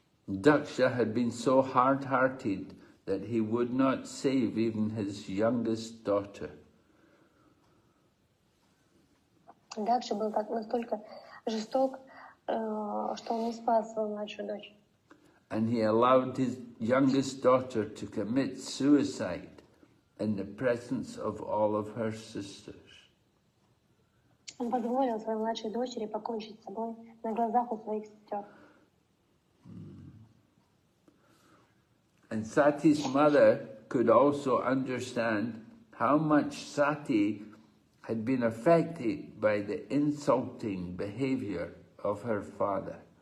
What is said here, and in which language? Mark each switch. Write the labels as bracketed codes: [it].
[en] Daksha had been so hard-hearted that he would not save even his youngest daughter. [ru] Дакша был так настолько жесток, что он не спас свою младшую дочь. [en] And he allowed his youngest daughter to commit suicide in the presence of all of her sisters. [ru] Он позволил своей младшей дочери покончить с собой на глазах у своих сестер. [en] And Sati's mother could also understand how much Sati had been affected by the insulting behavior of her father.